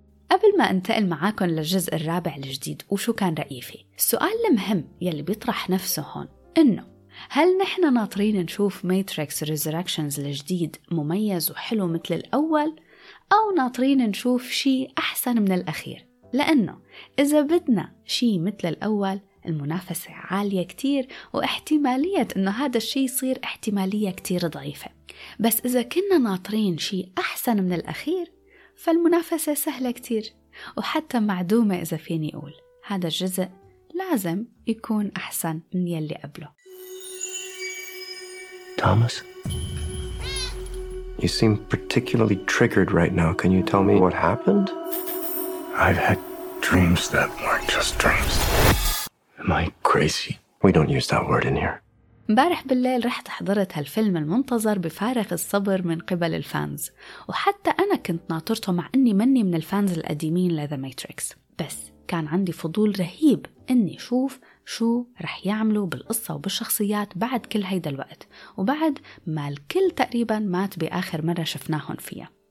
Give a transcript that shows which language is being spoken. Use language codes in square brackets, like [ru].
[ar] قبل ما انتقل معاكم للجزء الرابع الجديد وشو كان رأيي فيه، السؤال المهم يلي بيطرح نفسه هون إنه هل نحن ناطرين نشوف Matrix Resurrections الجديد مميز وحلو مثل الأول، أو ناطرين نشوف شيء أحسن من الأخير؟ لأنه إذا بدنا شيء مثل الأول المنافسة عالية كتير، واحتمالية إنه هذا الشيء يصير احتمالية كتير ضعيفة. بس إذا كنا ناطرين شيء أحسن من الأخير فالمنافسة سهلة كتير وحتى معدومة. إذا فيني أقول هذا الجزء لازم يكون أحسن من يلي قبله. [en] Thomas, you seem particularly triggered right now. Can you tell me what happened? I've had dreams that weren't just dreams. Am I crazy? We don't use that word in here. [ar] امبارح بالليل رحت حضرت هالفيلم المنتظر بفارغ الصبر من قبل الفانز، وحتى أنا كنت ناطرته مع أني مني من الفانز القديمين لـ The Matrix، بس كان عندي فضول رهيب أني شوف شو رح يعملوا بالقصة وبالشخصيات بعد كل هيدا الوقت، وبعد ما الكل تقريبا مات بآخر مرة شفناهن فيها.